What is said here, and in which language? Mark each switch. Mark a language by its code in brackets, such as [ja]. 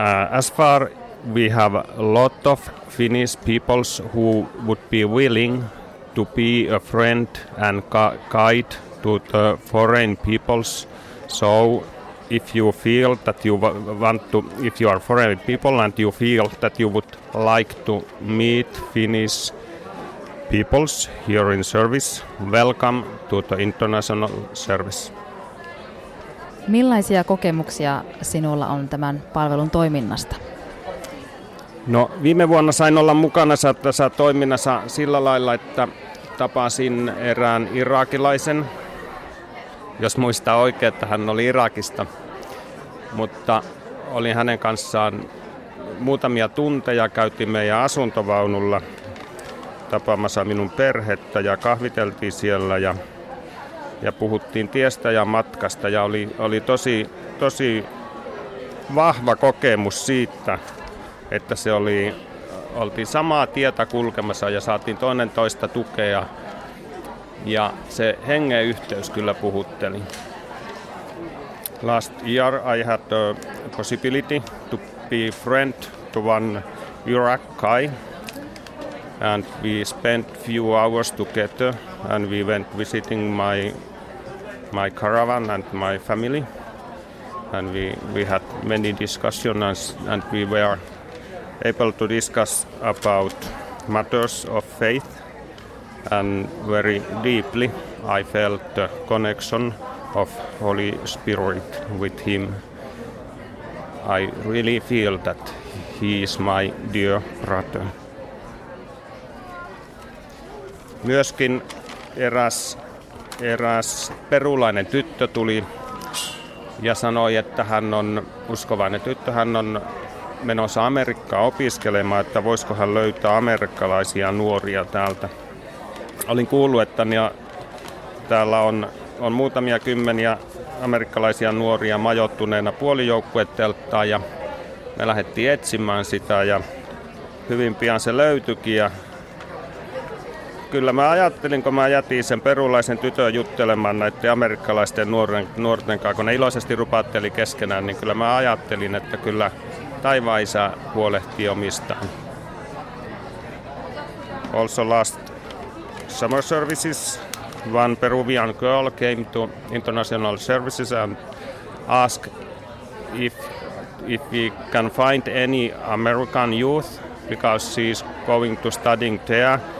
[en] As far we have a lot of Finnish peoples who would be willing to be a friend and guide to the foreign peoples. So if you feel that you want to, if you are foreign people and you feel that you would like to meet Finnish peoples here in service, welcome to the international service. [fi] Millaisia kokemuksia sinulla on tämän palvelun toiminnasta? No, viime vuonna sain olla mukana tässä toiminnassa sillä lailla, että tapasin erään irakilaisen, jos muistaa oikein, että hän oli Irakista, mutta olin hänen kanssaan muutamia tunteja, käytiin meidän asuntovaunulla tapaamassa minun perhettä ja kahviteltiin siellä ja puhuttiin tiestä ja matkasta ja oli tosi vahva kokemus siitä, että se oli, oltiin samaa tietä kulkemassa ja saatiin toinen toista tukea ja se hengen yhteys kyllä puhutteli. [en] Last year I had the possibility to be friend to one Iraq guy and we spent few hours together and we went visiting my caravan and my family and we had many discussions and we were able to discuss about matters of faith and very deeply I felt the connection of Holy Spirit with him. I really feel that he is my dear brother. [fi] Myöskin eräs perulainen tyttö tuli ja sanoi, että hän on uskovainen tyttö, hän on menossa Amerikkaan opiskelemaan, että voisiko hän löytää amerikkalaisia nuoria täältä. Olin kuullut, että täällä on muutamia kymmeniä amerikkalaisia nuoria majoittuneena puolijoukkuetelttaan ja me lähdettiin etsimään sitä ja hyvin pian se löytyikin ja kyllä mä ajattelin, kun mä jätin sen perulaisen tytön juttelemaan näiden amerikkalaisten nuorten kanssa, kun ne iloisesti rupatteli keskenään, niin kyllä mä ajattelin, että kyllä taivaan isä huolehtii omistaan. [en] Also last summer services, one Peruvian girl came to international services and asked if we can find any American youth, because she is going to studying there.